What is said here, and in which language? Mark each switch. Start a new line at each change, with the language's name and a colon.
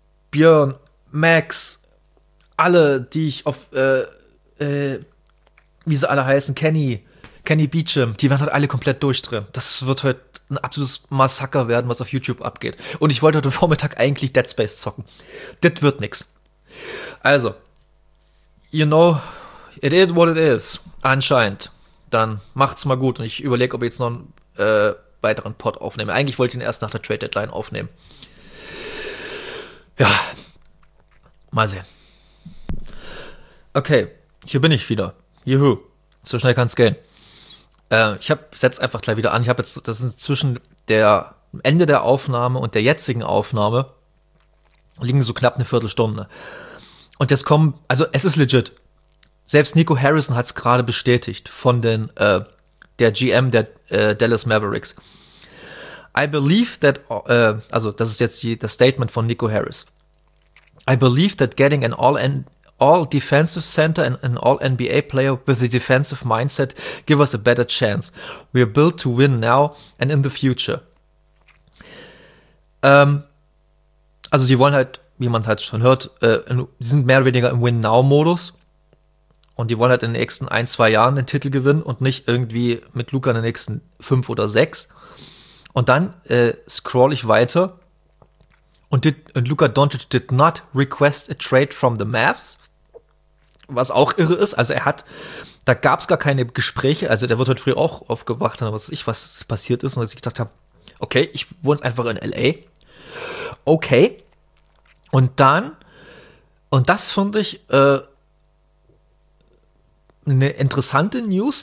German: Björn, Max, alle, die ich auf, wie sie alle heißen, Kenny Beecham, die werden halt alle komplett durchdrehen. Das wird heute ein absolutes Massaker werden, was auf YouTube abgeht. Und ich wollte heute Vormittag eigentlich Dead Space zocken. Das wird nix.
English: Also, you know, it is what it is,
German: anscheinend. Dann macht's mal gut und ich überlege, ob ich jetzt noch einen weiteren Pod aufnehme. Eigentlich wollte ich ihn erst nach der Trade Deadline aufnehmen. Ja, mal sehen. Okay, hier bin ich wieder. Juhu, so schnell kann es gehen. Ich habe setz einfach gleich wieder an. Ich habe jetzt, das ist zwischen der Ende der Aufnahme und der jetzigen Aufnahme, liegen so knapp eine Viertelstunde. Und jetzt kommen, also es ist legit. Selbst Nico Harrison hat es gerade bestätigt von den der GM der Dallas Mavericks.
English: I believe that,
German: also das ist jetzt das Statement von Nico Harris.
English: I believe that getting an all-defensive center and an all-NBA player with a defensive mindset give us a better chance. We are built to win now and in the future.
German: Also sie wollen halt, wie man es halt schon hört, sie sind mehr oder weniger im Win-Now-Modus. Und die wollen halt in den nächsten ein, zwei Jahren den Titel gewinnen und nicht irgendwie mit Luka in den nächsten 5 oder 6. Und dann scroll ich weiter.
English: Und Luka Doncic did not request a trade from the Mavs.
German: Was auch irre ist. Also, da gab es gar keine Gespräche. Also, der wird heute früh auch aufgewacht, was weiß ich, was passiert ist. Und dass ich gedacht habe, okay, ich wohne jetzt einfach in L.A. Okay. Und das finde ich eine interessante News.